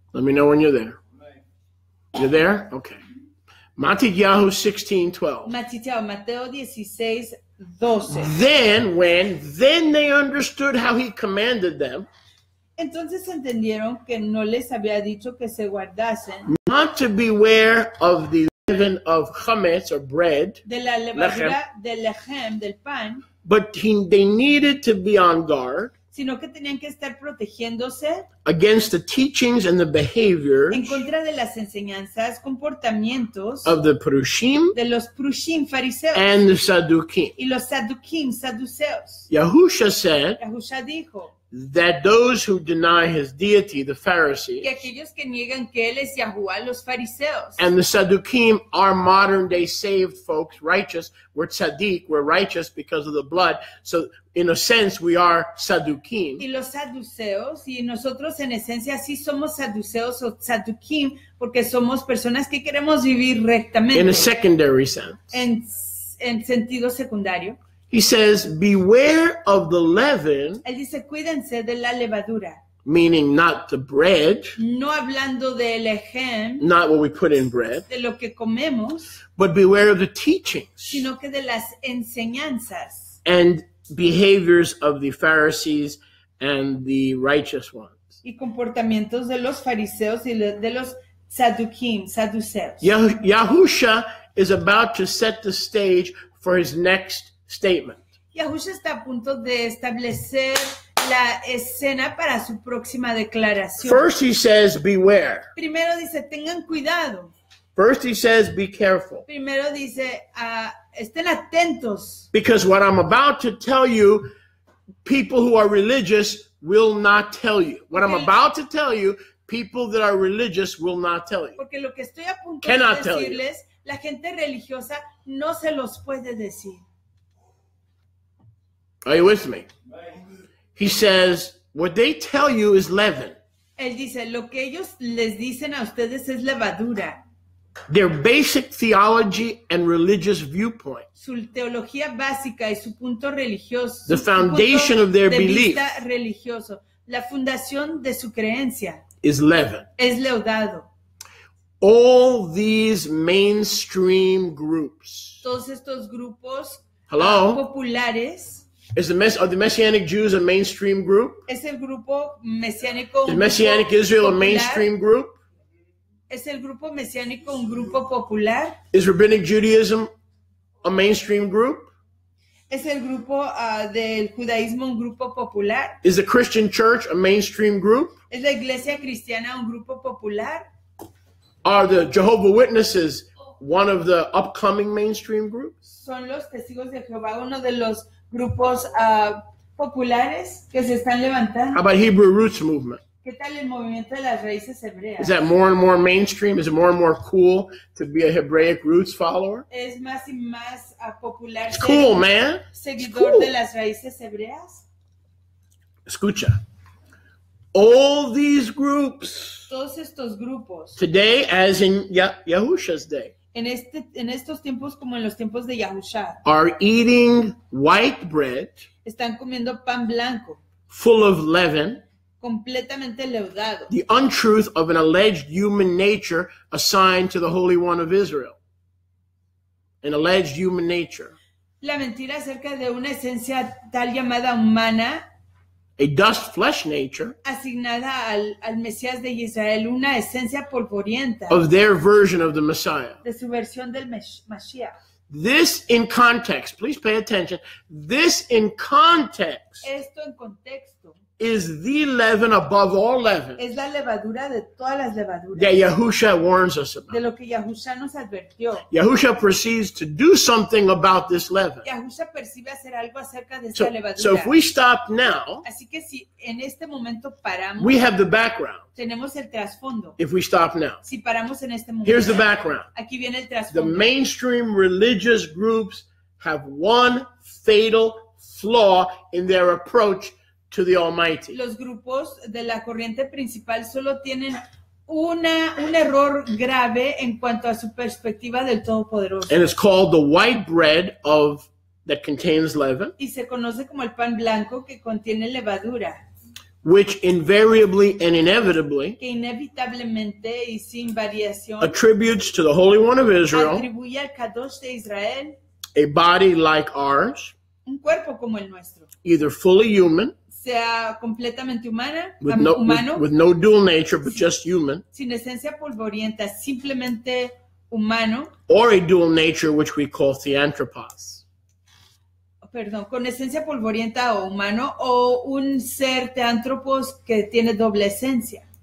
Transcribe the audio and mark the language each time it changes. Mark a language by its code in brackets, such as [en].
[en] Let me know when you're there. You're there? Okay. Matityahu 16:12. Matityahu, [es] Mateo [en] 16, 12. Then they understood how he commanded them. [es] Entonces entendieron que no les había dicho que se guardasen. [en] Not to beware of the leaven of chametz or bread. [es] De la levadura del lechem, del pan. [en] But they needed to be on guard. [es] Sino que tenían que estar protegiéndose. [en] Against the teachings and the behaviors. [es] En contra de las enseñanzas, comportamientos. [en] Of the Purushim. [es] De los Purushim, fariseos. [en] And the Sadduqim. [es] Y los Sadduqim, saduceos. [en] Yahusha said. [es] Yahusha dijo. [en] That those who deny his deity, the Pharisees. [es] Que aquellos que niegan que él es Yahuwah, los fariseos. [en] And the Sadduqim are modern day saved folks, righteous. We're tzaddik, we're righteous because of the blood. So in a sense, we are Sadduqim. [es] Y los saduceos, y nosotros en esencia sí somos saduceos o tzaddikim, porque somos personas que queremos vivir rectamente. [en] In a secondary sense. [es] En sentido secundario. [en] He says, beware of the leaven. [es] Él dice, cuídense de la levadura. [en] Meaning not the bread. [es] No hablando de lechem. [en] Not what we put in bread. [es] De lo que comemos. [en] But beware of the teachings. [es] Sino que de las enseñanzas. [en] And behaviors of the Pharisees and the righteous ones. [es] Y comportamientos de los fariseos y de los saduquim, saduceos. [en] Yahusha is about to set the stage for his next statement. [es] Yahusha está a punto de establecer la escena para su próxima declaración. [en] First he says, beware. [es] Primero dice, tengan cuidado. [en] First he says, be careful. [es] Primero dice, estén atentos. [en] Because what I'm about to tell you, people who are religious will not tell you. What I'm about to tell you, people that are religious will not tell you. [es] Porque lo que estoy a punto [en] cannot [es] de decirles, la gente religiosa no se los puede decir. [en] Are you with me? He says, what they tell you is leaven. [es] Él dice, lo que ellos les dicen a ustedes es levadura. [en] Their basic theology and religious viewpoint. [es] Su teología básica y su punto religioso. [en] The foundation of their belief. [es] Religioso, la fundación de su creencia. [en] Is leaven. [es] Es leudado. [en] All these mainstream groups. [es] Todos estos grupos. [en] Hello? [es] Populares. [en] Is the mess are the Messianic Jews a mainstream group? [es] ¿Es el grupo mesiánico un [en] Messianic [es] grupo [en] Israel [es] popular? [en] A mainstream group? [es] ¿Es el grupo mesiánico un grupo popular? [en] Is Rabbinic Judaism a mainstream group? [es] ¿Es el grupo del judaísmo un grupo popular? [en] Is the Christian Church a mainstream group? [es] ¿Es la iglesia cristiana un grupo popular? [en] Are the Jehovah's Witnesses one of the upcoming mainstream groups? [es] ¿Son los testigos de Jehová uno de los grupos populares que se están levantando? [en] How about Hebrew Roots Movement? [es] ¿Qué tal el movimiento de las raíces hebreas? [en] Is that more and more mainstream? Is it more and more cool to be a Hebraic Roots follower? [es] Es más y más popular. [en] It's cool, man. [es] Seguidor cool. De las raíces hebreas. Escucha. [en] All these groups. [es] Todos estos grupos. [en] Today, as in Yahusha's day. [es] En este, en estos tiempos como en los tiempos de Yahusha. [en] Are eating white bread. [es] Están comiendo pan blanco. [en] Full of leaven. [es] Completamente leudado. [en] The untruth of an alleged human nature assigned to the Holy One of Israel. An alleged human nature. [es] La mentira acerca de una esencia tal llamada humana. [en] A dust flesh nature. [es] Asignada al, al Mesías de Israel, una esencia polvorienta. [en] Of their version of the Messiah. [es] De su versión del Mashiach. [en] This in context, please pay attention. This in context. [es] Esto en contexto. [en] Is the leaven above all leaven. [es] Es la levadura de todas las levaduras. [en] That Yahusha warns us about. [es] De lo que Yahusha nos advirtió. [en] Yahusha proceeds to do something about this leaven. [es] Yahusha percibe hacer algo acerca de [en] so, [es] esta levadura. [en] So if we stop now. [es] Así que si en este momento paramos. [en] We have the background. [es] Tenemos el trasfondo. [en] If we stop now. [es] Si paramos en este momento. [en] Here's the background. [es] Aquí viene el trasfondo. [en] The mainstream religious groups have one fatal flaw in their approach to the Almighty. [es] Los grupos de la corriente principal solo tienen una un error grave en cuanto a su perspectiva del Todopoderoso. [en] And it's called the white bread of that contains leaven. [es] Y se conoce como el pan blanco que contiene levadura. [en] Which invariably and inevitably [es] que inevitablemente y sin variación [en] attributes to the Holy One of Israel, [es] atribuye al Kadosh de Israel [en] a body like ours, [es] un cuerpo como el nuestro, [en] either fully human [es] sea completamente humana, [en] with [es] no, humano, [en] with no dual nature, but just human, [es] sin esencia polvorienta, simplemente humano, [en] or a dual nature which we call theanthropos. [es] Perdón, con esencia polvorienta o humano, o un ser teántropos que tiene doble esencia.